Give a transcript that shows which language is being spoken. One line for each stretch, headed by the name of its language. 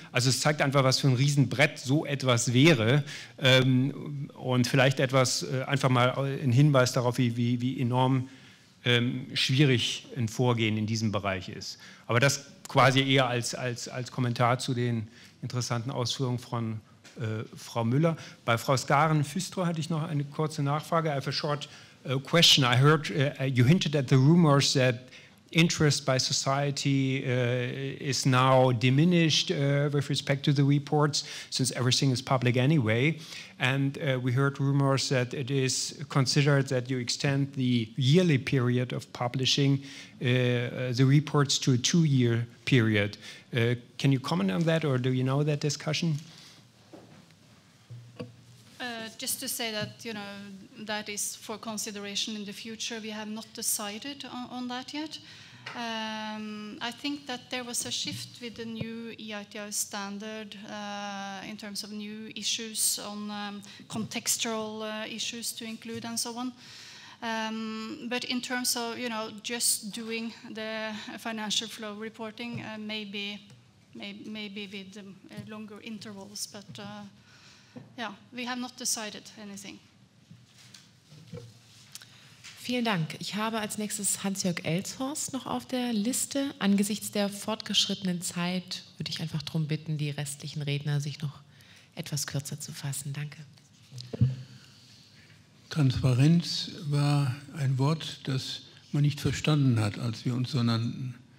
German: Also es zeigt einfach, was für ein Riesenbrett so etwas wäre. Und vielleicht etwas, einfach mal ein Hinweis darauf, wie enorm schwierig ein Vorgehen in diesem Bereich ist. Aber das quasi eher als Kommentar zu den interessanten Ausführungen von Frau Müller. Bei Frau Skaren-Füstrow hatte ich noch eine kurze Nachfrage.
English: I have a short question. I heard you hinted at the rumors that interest by society is now diminished with respect to the reports, since everything is public anyway. And we heard rumors that it is considered that you extend the yearly period of publishing the reports to a 2-year period. Can you comment on that, or do you know that discussion? Just to say that, you know, that is for consideration in the future. We have not decided on that yet. I think that there was a shift with the new EITI standard in terms of new issues on contextual issues to include and so on. But in terms of, you know, just doing the financial flow reporting, maybe with longer intervals, but yeah, we have not decided anything.
German: Vielen Dank. Ich habe als nächstes Hans-Jörg Elshorst noch auf der Liste. Angesichts der fortgeschrittenen Zeit würde ich einfach darum bitten, die restlichen Redner sich noch etwas kürzer zu fassen. Danke. Transparenz war ein Wort, das man nicht verstanden hat, als wir uns so nannten.